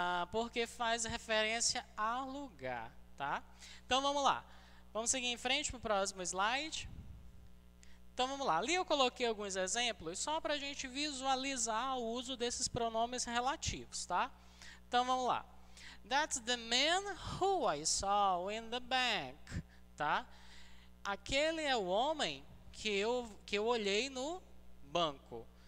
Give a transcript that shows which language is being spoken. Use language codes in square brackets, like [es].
[pt] Porque faz referência a lugar, tá? Então, vamos lá. Vamos seguir em frente para o próximo slide. Então, vamos lá. Ali eu coloquei alguns exemplos só para a gente visualizar o uso desses pronomes relativos, tá? Então, vamos lá. [en] That's the man who I saw in the bank, tá? [pt] Aquele é o homem que eu olhei no banco.